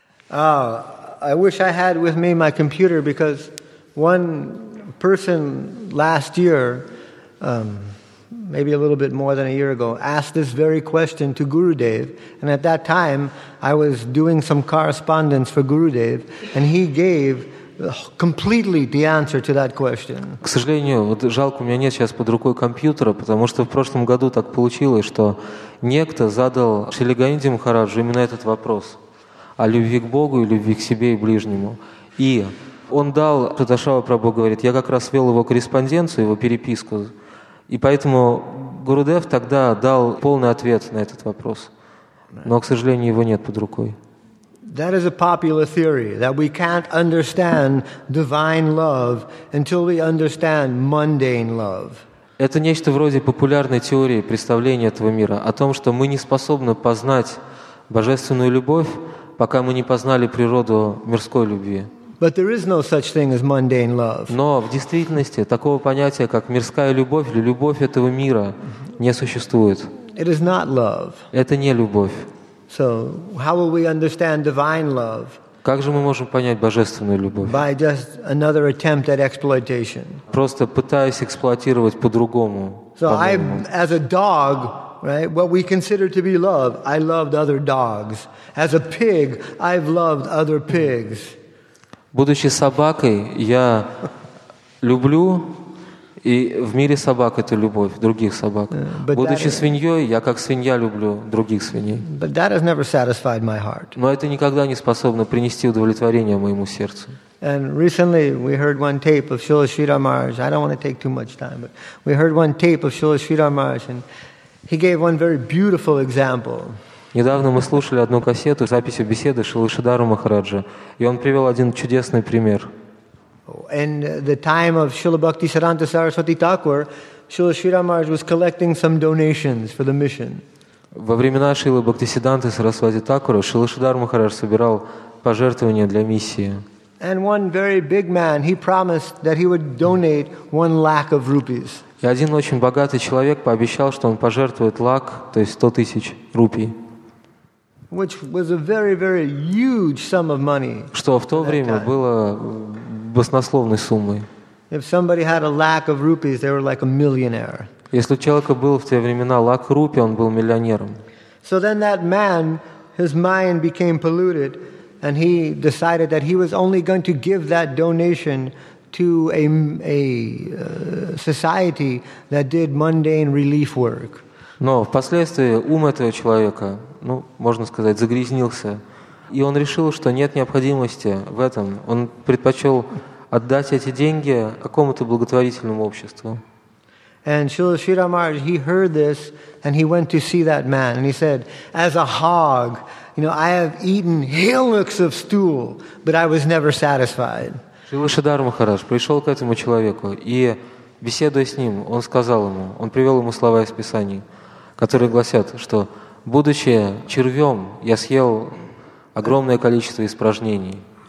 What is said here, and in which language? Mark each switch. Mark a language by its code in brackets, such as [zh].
[en] I wish I had with me my computer, because one person last year, maybe a little bit more than a year ago, asked this very question to Gurudev. And at that time, I was doing some correspondence for Gurudev, and he gave completely the answer to that question. [ru] К сожалению, вот жалко, у меня нет сейчас под рукой компьютера, потому что в прошлом году так получилось, что некто задал Шриле Гаунди Махараджу именно этот вопрос о любви к Богу и любви к себе и ближнему. И он дал, Шадашава Прабху говорит, я как раз вел его корреспонденцию, его переписку, и поэтому Гурудев тогда дал полный ответ на этот вопрос. Но, к сожалению, его нет под рукой. [en] That is a popular theory, that we can't understand divine love until we understand mundane love. [ru] Это нечто вроде популярной теории представления этого мира о том, что мы не способны познать божественную любовь, пока мы не познали природу мирской любви. [en] But there is no such thing as mundane love. [ru] Но в действительности такого понятия, как мирская любовь или любовь этого мира, не существует. [en] It is not love. [ru] Это не любовь. [en] So how will we understand divine love? [ru] Как же мы можем понять божественную любовь? [en] By just another attempt at exploitation. [ru] Просто пытаясь эксплуатировать по-другому. [en] So I, as a dog, right, what we consider to be love, I loved other dogs. As a pig, I've loved other pigs. [ru] Будучи собакой, я люблю, и в мире собак это любовь других собак. Будучи свиньей, я как свинья люблю других свиней. [en] But that has never satisfied my heart. [ru] Но это никогда не способно принести удовлетворение моему сердцу. [en] And recently we heard one tape of Srila Sridhar Maharaj. I don't want to take too much time, but we heard one tape of Srila Sridhar Maharaj, and he gave one very beautiful example. [ru] Недавно мы слушали одну кассету с записью беседы Шрилы Шридхара Махараджа, и он привел один чудесный пример. [en] In the time of Srila Bhakti Siddhanta Saraswati Thakur, Srila Sridhar Maharaj was collecting some donations for the mission. [ru] Во времена Шрилы Бхакти Сиддханты Сарасвати Такура Шрила Шридхар Махарадж собирал пожертвования для миссии. [en] And one very big man, he promised that he would donate 1 lakh of rupees. [ru] И один очень богатый человек пообещал, что он пожертвует лак, то есть 100 тысяч рупий. [en] Which was a very, very huge sum of money. [ru] Что в то время было баснословной суммой. [en] If somebody had a lakh of rupees, they were like a millionaire. [ru] Если у человека был в те времена лак рупий, он был миллионером. [en] So then that man, his mind became polluted, and he decided that he was only going to give that donation to a society that did mundane relief work. [ru] Но впоследствии ум этого человека, ну, можно сказать, загрязнился. И он решил, что нет необходимости в этом. Он предпочел отдать эти деньги какому-то благотворительному обществу. [en] And Srila Sridhar Maharaj, he heard this, and he went to see that man. And he said, as a hog, you know, I have eaten hillocks of stool, but I was never satisfied. [ru] Шрила Шридхар Махарадж пришел к этому человеку, и, беседуя с ним, он сказал ему, он привел ему слова из Писаний, которые гласят, что будучи червем, я съел огромное количество испражнений.